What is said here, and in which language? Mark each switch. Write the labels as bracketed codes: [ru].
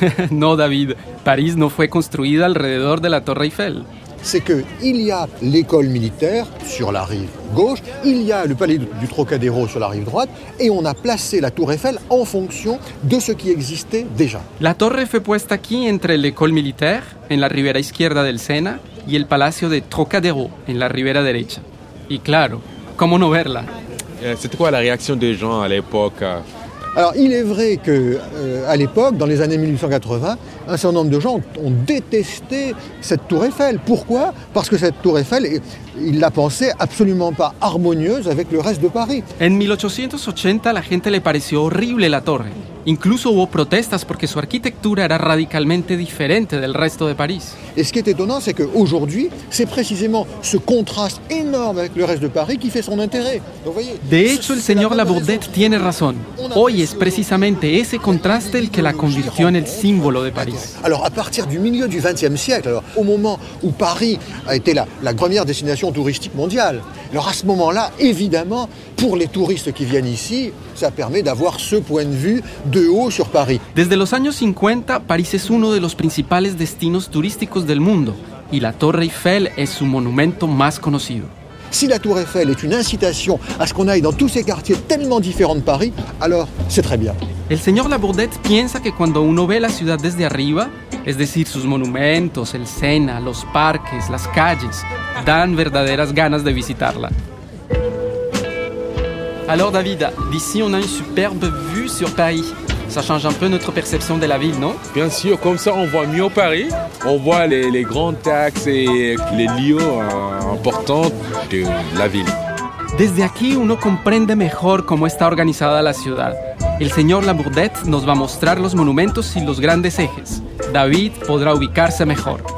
[fr] Non, David, Paris ne fut construite alrededor de la Tour Eiffel. C'est qu'il y a l'école militaire sur la rive gauche, il y a le palais du Trocadéro sur la rive droite, et on a placé la tour Eiffel en fonction de ce qui existait déjà. [es] La torre fue puesta aquí entre l'école militaire, en la ribera izquierda del Sena, y el palacio de Trocadéro, en la ribera derecha. Y claro, ¿cómo no verla? [fr] C'était quoi la réaction des gens à l'époque? Alors, il est vrai que, à l'époque, dans les années 1880, un certain nombre de gens ont détesté cette tour Eiffel. Pourquoi ? Parce que cette tour Eiffel, ils la pensaient absolument pas harmonieuse avec le reste de Paris. [es] En 1880, la gente le pareció horrible la torre. Incluso hubo protestas porque su arquitectura era radicalmente diferente del resto de París. [fr] Et ce qui est étonnant, c'est qu'aujourd'hui, c'est précisément ce contraste énorme avec le reste de Paris qui fait son intérêt. Donc, voyez, [es] de hecho, el señor Labourdette tiene razón. Hoy es precisamente ese contraste el que la convirtió en el símbolo de Paris. [fr] Alors, à partir du milieu du XXe siècle, alors, au moment où Paris a été la première destination touristique mondiale, alors à ce moment-là, évidemment, pour les touristes qui viennent ici, ça permet d'avoir ce point de vue de haut sur Paris. [es] Desde los años 50, París es uno de los principales destinos turísticos del mundo y la Torre Eiffel es su monumento más conocido. [fr] Si la Tour Eiffel est une incitation à ce qu'on aille dans tous ces quartiers tellement différents de Paris, alors c'est très bien. [es] El señor Labourdette piensa que cuando uno ve la ciudad desde arriba, es decir, sus monumentos, el Sena, los parques, las calles, dan verdaderas ganas de visitarla. [fr] Alors David, d'ici on a une superbe vue sur Paris. Ça change un peu notre perception de la ville, non? Bien sûr, comme ça on voit mieux Paris. On voit les grands axes et les lieux importants de la ville. [es] Desde aquí uno comprende mejor cómo está organizada la ciudad. El señor Labourdette nos va a mostrar los monumentos y los grandes ejes. David podrá ubicarse mejor.